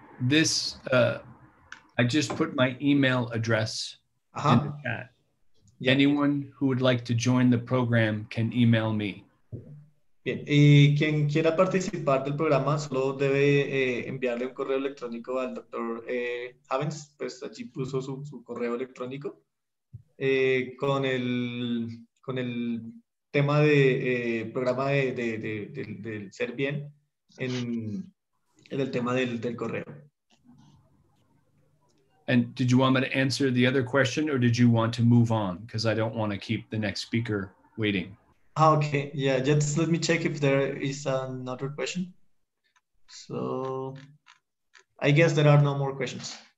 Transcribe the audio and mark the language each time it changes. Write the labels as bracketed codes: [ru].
[en] This, I just put my email address uh-huh. in the chat. Yeah. Anyone who would like to join the program can email me. [es] Bien, y quien quiera participar del programa solo debe enviarle un correo electrónico al doctor Havens, pues allí puso su correo electrónico. Con el tema de programa de ser bien en el tema del correo. [en] And did you want me to answer the other question or did you want to move on? Because I don't want to keep the next speaker waiting. Okay, yeah, just let me check if there is another question. So I guess there are no more questions.